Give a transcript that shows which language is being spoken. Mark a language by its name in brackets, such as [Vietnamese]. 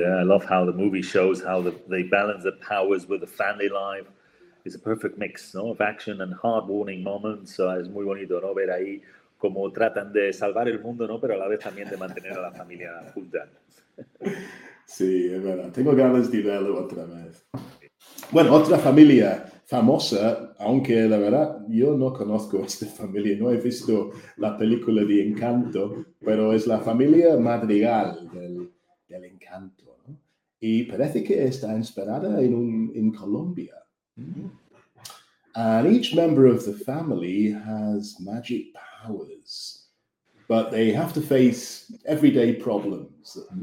[English] I love how the movie shows how they balance the powers with the family life. It's a perfect mix, ¿no? Of action and heartwarming moments. So [Spanish] es muy bonito, ¿no? Ver ahí cómo tratan de salvar el mundo, ¿no? Pero a la vez también de mantener a la familia junta. Sí, es verdad. Tengo ganas de verlo otra vez. Bueno, otra familia famosa, aunque la verdad yo no conozco esta familia, no he visto la película de Encanto, pero es la familia Madrigal del Encanto, ¿no? Y parece que está inspirada en Colombia. [English] And each member of the family has magic powers, but they have to face everyday problems.